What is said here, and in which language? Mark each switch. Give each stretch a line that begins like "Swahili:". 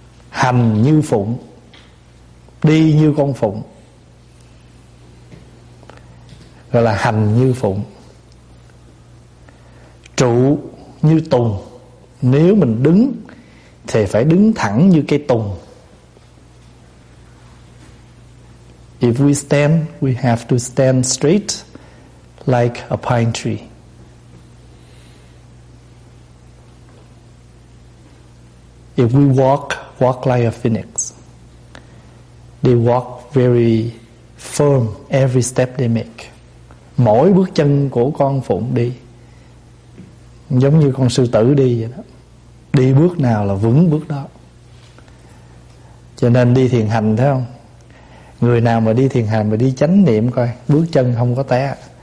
Vietnamese: Hành như phụng, đi như con phụng, gọi là hành như phụng. Trụ như tùng. Nếu mình đứng thì phải đứng thẳng như cây tùng.
English: If we stand, we have to stand straight like a pine tree. If we walk, walk like a phoenix. They walk very firm every step they make.
Vietnamese: Mỗi bước chân của con phụng đi giống như con sư tử đi vậy đó. Đi bước nào là vững bước đó. Cho nên đi thiền hành thấy không? Người nào mà đi thiền hành mà đi chánh niệm coi, bước chân không có té.